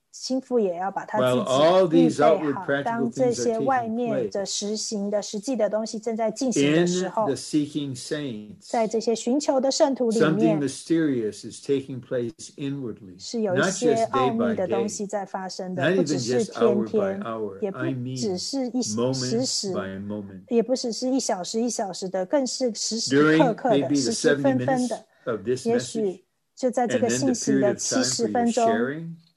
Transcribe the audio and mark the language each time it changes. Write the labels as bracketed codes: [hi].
[en] While all these outward practical things are taking place, in the seeking saints, [zh] 在这些寻求的圣徒里面, [en] something mysterious is taking place inwardly. Not just day by day, not even just hour by hour, I mean moment by moment. [zh] 也不只是一小时一小时的, 更是时时刻刻的, [en] during maybe the 70 minutes of this message, and then the period of time for your sharing,